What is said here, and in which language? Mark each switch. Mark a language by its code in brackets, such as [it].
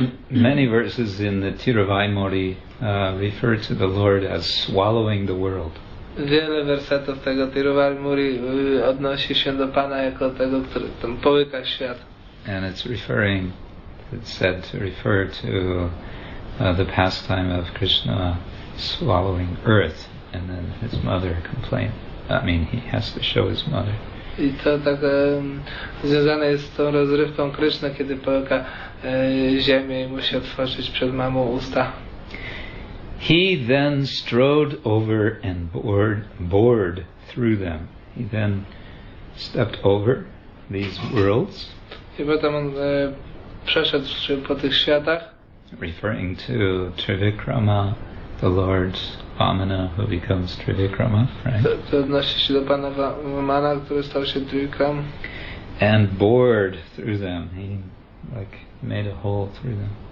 [en] many verses in the Tiruvaimori refer to the Lord as swallowing the world. [pl] Wiele wersetów tego Tiruvaimori odnosi się do Pana jako tego, który tam połyka świat. [en] And it's said to refer to the pastime of Krishna swallowing earth, and then his mother complained. I mean, he has to show his mother. [pl] I to tak związane jest z tą rozrywką Kryszny, kiedy połyka ziemię i musi otworzyć przed mamą usta. [en] He then strode over and bored through them. He then stepped over these worlds. [pl] I potem on przeszedł po tych światach. [en] Referring to Trivikrama, the Lord's Vamana, who becomes Trivikrama, right? [pl] To odnosi się do Pana Vamana, który stał się Trivikram. [en] And bored through them. He like made a hole through them.